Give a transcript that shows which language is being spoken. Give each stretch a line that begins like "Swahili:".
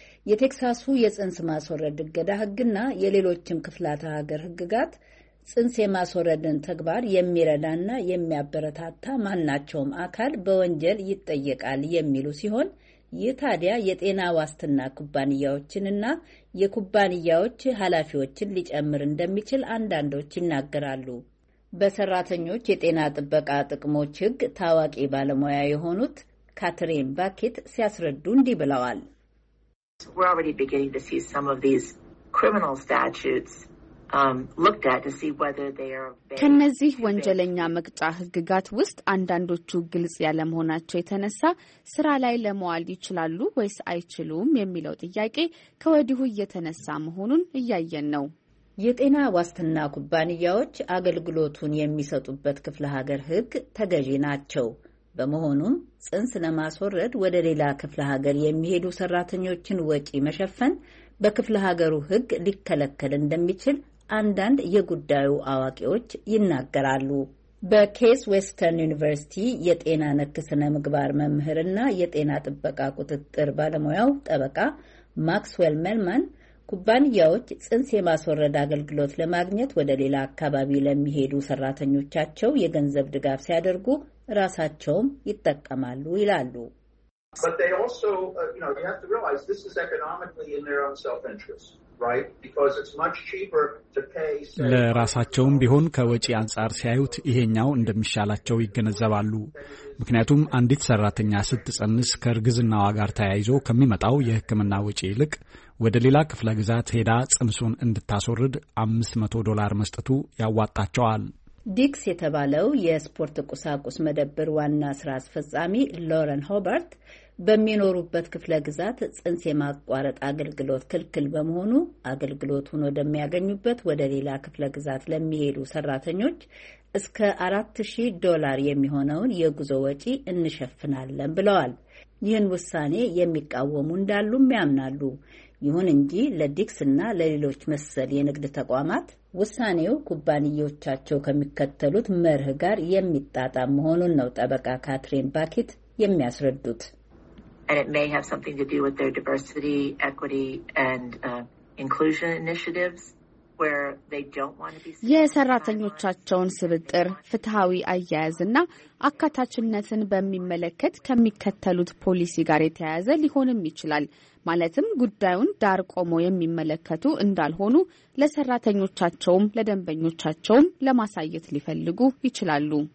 Amharic: የቴክሳሱ የጽንስ ማስወረድ እገዳ ሕግና የሌሎችም ክፍላተ ሀገር ሕግጋት ጽንስ የማስወረድን ተግባር የሚረዳና የሚያበረታታ ማናቸውም አካል በወንጀል ይጠየቃል የሚሉ ሲሆን፣ ይህ ታዲያ የጤና ዋስትና ኩባንያዎችንና የኩባንያዎች ኃላፊዎችን ሊጨምር እንደሚችል አንዳንዶች ይናገራሉ። በሰራተኞች የጤና ጥበቃ ጥቅሞች ሕግ ታዋቂ ባለሙያ የሆኑት ካትሪን ባኬት ሲያስረዱ እንዲህ ብለዋል።
English: We're already beginning to see some of these criminal statutes looked at to see whether they are
Amharic: ከነዚህ ወንጀለኛ መቅጫ ህግጋት ውስጥ አንዳንዶቹ ግልጽ ያለመሆናቸው የተነሳ ስራ ላይ ለመዋል ይችላሉ ወይስ አይችሉም የሚለው ጥያቄ ከወዲሁ እየተነሳ መሆኑን እያየን ነው። የጤና ዋስትና ኩባንያዎች አገልግሎቱን የሚሰጡበት ክፍለ ሀገር ህግ ተገዢ ናቸው። በመሆኑም ጽንስ ለማስወረድ ወደ ሌላ ክፍለ ሀገር የሚሄዱ ሰራተኞችን ወጪ መሸፈን በክፍለ ሀገሩ ህግ ሊከለከል እንደሚችል አንዳንድ የጉዳዩ አዋቂዎች ይናገራሉ። በኬስ ዌስተርን ዩኒቨርሲቲ የጤና ነክ ስነ ምግባር መምህርና የጤና ጥበቃ ቁጥጥር ባለሙያው ጠበቃ ማክስዌል ሜልማን ኩባንያዎች ጽንስ የማስወረድ አገልግሎት ለማግኘት ወደ ሌላ አካባቢ ለሚሄዱ ሰራተኞቻቸው የገንዘብ ድጋፍ ሲያደርጉ ራሳቸውም ይጠቀማሉ ይላሉ።
English: But they also, you know, you have to realize this is economically in their own self-interest, right? Because it's much cheaper to pay.
Amharic: ለራሳቸውም ቢሆን ከወጪ አንጻር ሲያዩት ይሄኛው እንደሚሻላቸው ይገነዘባሉ። ምክንያቱም አንዲት ሰራተኛ ስትጸንስ ከርግዝናዋ ጋር ተያይዞ ከሚመጣው የሕክምና ወጪ ይልቅ ወደ ሌላ ክፍለ ግዛት ሄዳ ጽንሱን እንድታስወርድ $500 መስጠቱ ያዋጣቸዋል። ዲክስ የተባለው የስፖርት ቁሳቁስ መደብር ዋና ስራ አስፈጻሚ ሎረን ሆበርት በሚኖሩበት ክፍለ ግዛት ጽንስ የማቋረጥ አገልግሎት ክልክል በመሆኑ አገልግሎቱን ወደሚያገኙበት ወደ ሌላ ክፍለ ግዛት ለሚሄዱ ሰራተኞች እስከ $4,000 የሚሆነውን የጉዞ ወጪ እንሸፍናለን ብለዋል። ይህን ውሳኔ የሚቃወሙ እንዳሉም ያምናሉ። ይሁን እንጂ ለዲክስ እና ለሌሎች መሰል የንግድ ተቋማት ውሳኔው ኩባንያዎቻቸው ከሚከተሉት መርህ ጋር የሚጣጣም መሆኑን ነው ጠበቃ ካትሪን ባኬት የሚያስረዱት።
English: And it may have something to do with their diversity, equity, and inclusion initiatives, where they don't want to be seen.
Amharic: የሰራተኞቻቸውን ስብጥር፣ ፍትሃዊ አያያዝና አካታችነትን በሚመለከት ከሚከተሉት ፖሊሲ ጋር የተያያዘ ሊሆንም ይችላል። ማለትም ጉዳዩን ዳር ቆሞ የሚመለከቱ እንዳልሆኑ ለሰራተኞቻቸውም ለደንበኞቻቸውም ለማሳየት ሊፈልጉ ይችላሉ።